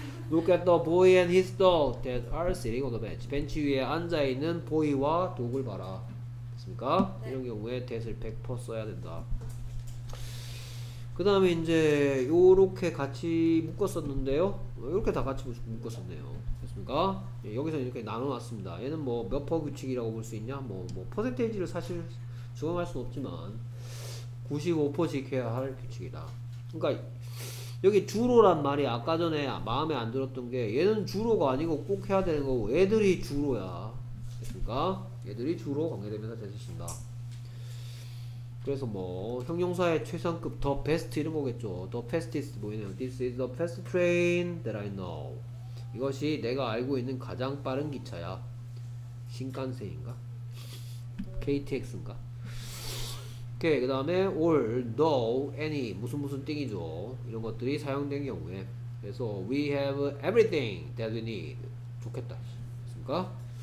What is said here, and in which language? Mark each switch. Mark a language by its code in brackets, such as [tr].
[en] Look at the boy and his dog that are sitting on the bench. [ko] 벤치 위에 앉아있는 보이와 독을 봐라. 됐습니까? 네. 이런 경우에 that을 100% 써야 된다. 그 다음에 이제 요렇게 같이 묶었었는데요. 요렇게 다 같이 묶었었네요. 됐습니까? 예, 여기서 이렇게 나눠놨습니다. 얘는 뭐 몇 퍼 규칙이라고 볼 수 있냐? 뭐 퍼센테이지를 사실 적용할 수는 없지만 95% 지켜야 할 규칙이다. 그러니까 여기 주로란 말이 아까 전에 마음에 안 들었던 게 얘는 주로가 아니고 꼭 해야 되는 거고 애들이 주로야. 됐습니까? 애들이 주로 관계되면서 되신다. 그래서 뭐 형용사의 최상급 the best 이런 거겠죠. the fastest 보이네요. [en] this is the fast train that I know. [ko] 이것이 내가 알고 있는 가장 빠른 기차야. 신칸센인가? KTX인가? 오케이. 그 다음에 all, no, any, 무슨 무슨 띵이죠. 이런 것들이 사용된 경우에 그래서 [en] we have everything that we need. [ko] 좋겠다. 됐습니까?